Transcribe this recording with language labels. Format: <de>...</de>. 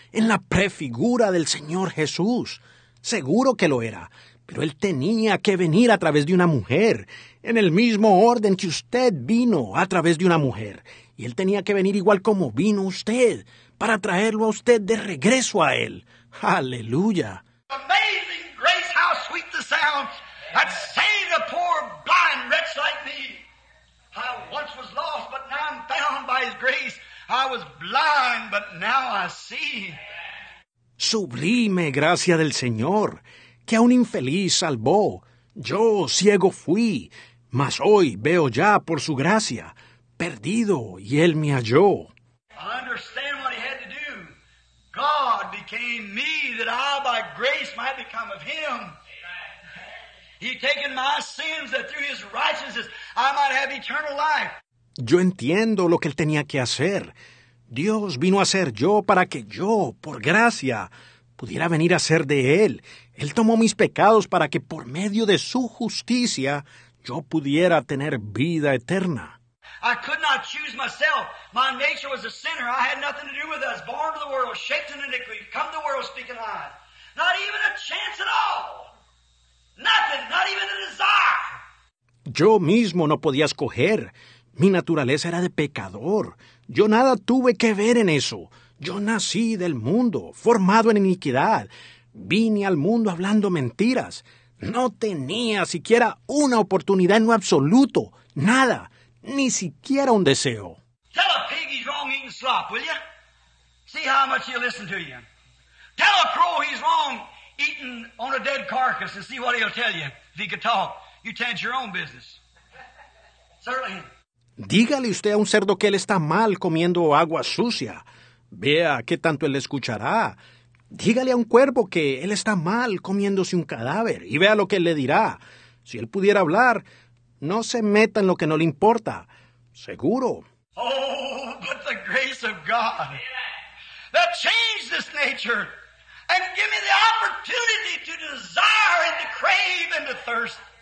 <es>En la prefigura del Señor Jesús. Seguro que lo era. Pero él tenía que venir a través de una mujer, en el mismo orden que usted vino a través de una mujer. Y él tenía que venir igual como vino usted, para traerlo a usted de regreso a él. ¡Aleluya!</es> <en>Amazing grace, how sweet the sound that saved a poor blind wretch like me. I once was lost, but now I'm found by his grace. I was blind, but now I see.</en> <es>Sublime gracia del Señor, que a un infeliz salvó. Yo, ciego fui, mas hoy veo ya por su gracia, perdido, y él me halló.</es> <en>I understand what he had to do. God became me, that I by grace might become of him. Amen. He taken my sins, that through his righteousness I might have eternal life.</en> <es>Yo entiendo lo que él tenía que hacer. Dios vino a ser yo para que yo, por gracia, pudiera venir a ser de él. Él tomó mis pecados para que por medio de su justicia yo pudiera tener vida eterna.</es> <en>I could not choose myself. My nature was a sinner. I had nothing to do with us. Born to the world, shaped in iniquity, come to the world speaking lies. Not even a chance at all. Nothing, not even a desire.</en> <es>Yo mismo no podía escoger. Mi naturaleza era de pecador. Yo nada tuve que ver en eso. Yo nací del mundo, formado en iniquidad. Vine al mundo hablando mentiras. No tenía siquiera una oportunidad en lo absoluto. Nada. Ni siquiera un deseo.</es> <en>Tell a pig he's wrong eating slop, will you? See how much he'll listen to you. Tell a crow he's wrong eating on a dead carcass and see what he'll tell you. If he could talk, you tend your own business. Certainly.</en> <es>Dígale usted a un cerdo que él está mal comiendo agua sucia. Vea qué tanto él escuchará. Dígale a un cuervo que él está mal comiéndose un cadáver y vea lo que él le dirá. Si él pudiera hablar, no se meta en lo que no le importa. Seguro.</es> <en>Oh, but the grace of God that changed this nature and give me the opportunity to desire and to crave and to thirst.</en>